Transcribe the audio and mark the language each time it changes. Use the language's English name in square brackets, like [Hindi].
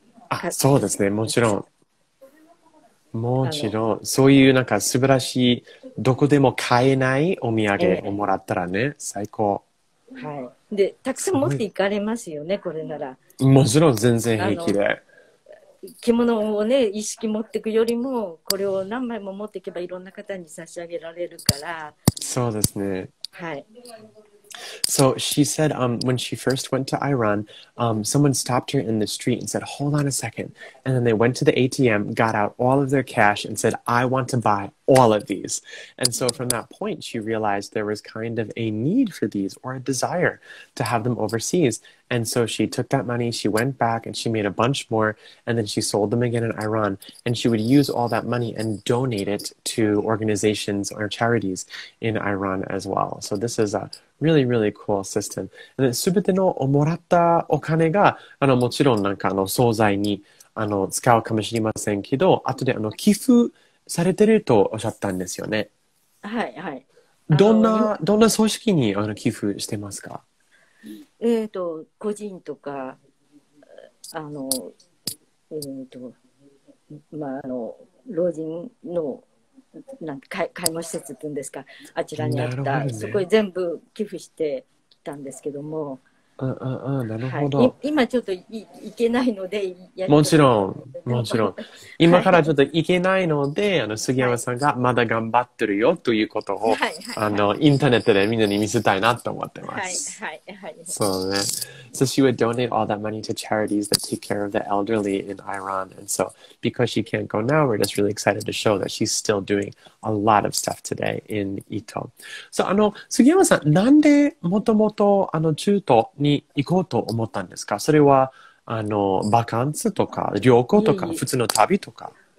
[Japanese] あ、そうですね、もちろんそういうなんか素晴らしいどこでも買えないお土産をもらったらね、最高。はい、でたくさん持って行かれますよね、これなら。もちろん全然平気で。着物をね、一式持っていくよりも、これを何枚も持っていけばいろんな方に差し上げられるから。そうですね。はい。 [English] So she said, when she first went to Iran, someone stopped her in the street and said, hold on a second. And then they went to the ATM, got out all of their cash and said, I want to buy all of these. And so from that point, she realized there was kind of a need for these or a desire to have them overseas. And so she took that money, she went back and she made a bunch more. And then she sold them again in Iran. And she would use all that money and donate it to organizations or charities in Iran as well. So this is a really, really cool system. And then [Japanese] 全てのもらったお金が、あのもちろんなんかあの総菜にあの使うかもしれませんけど、後であの寄付されてるとおっしゃったんですよね。はいはい。どんな組織にあの寄付してますか？個人とか、あの、まあ、あの老人のなんか介護施設っていうんですか、あちらにあった、ね、そこに全部寄付してきたんですけども、うんうんうん、なるほど、はい、今ちょっと行けないのでもちろん今からちょっと行けないので、はい、あの杉山さんがまだ頑張ってるよということを、はいはいはいはい、あのインターネットでみんなに見せたいなと思ってます。はいはいはい、そうね。 [English] So she would donate all that money to charities that take care of the elderly in Iran. And so because she can't go now, we're just really excited to show that she's still doing a lot of stuff today in Ito. [Japanese] So あの杉山さん、なんでもともとあの中東に行こうと思ったんですか？それはあのバカンスとか旅行とか普通の旅とか。